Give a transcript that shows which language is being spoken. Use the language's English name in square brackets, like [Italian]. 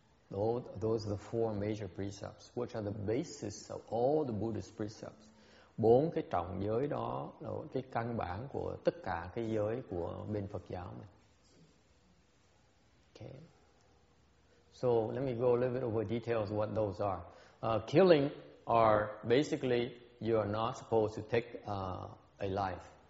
[English] Those are the four major precepts, which are the basis of all the Buddhist precepts. [Vietnamese] Bốn cái trọng giới đó là cái căn bản của tất cả cái giới của bên Phật giáo này. [English] Okay. So let me go a little bit over details what those are. Killing are basically you are not supposed to take a life.